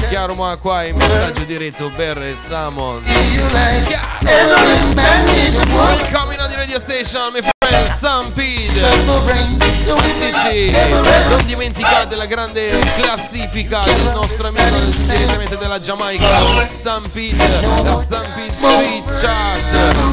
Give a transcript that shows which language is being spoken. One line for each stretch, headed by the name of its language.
Italian: Chiaro Moa qua in messaggio diretto, Barry Salmon.
English: Welcome in on the radio station, my friend Stampede.
Italian: Sì, non dimenticate la grande classifica del nostro amico segretamente della Giamaica, Stampede, la Stampede Street Chart.